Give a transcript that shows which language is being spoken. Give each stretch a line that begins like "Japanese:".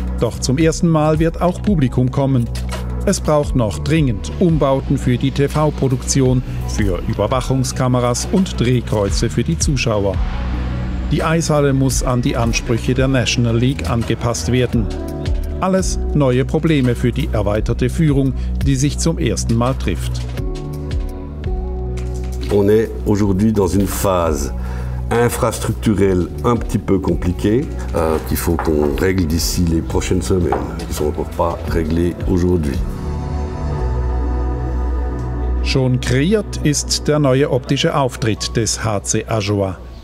German: Doch zum ersten Mal wird auch Publikum kommen. Es braucht noch dringend Umbauten für die TV-Produktion, für Überwachungskameras und Drehkreuze für die Zuschauer. Die Eishalle muss an die Ansprüche der National League angepasst werden. Alles neue Probleme für die erweiterte Führung, die sich zum ersten Mal trifft.
French: On est aujourd'hui dans une phase infrastructurel un petit peu compliqué, qu'il faut qu'on règle d'ici les prochaines semaines, qui ne sont encore pas réglés aujourd'hui.
German: Schon kreiert ist der neue optische Auftritt des HC Ajoie.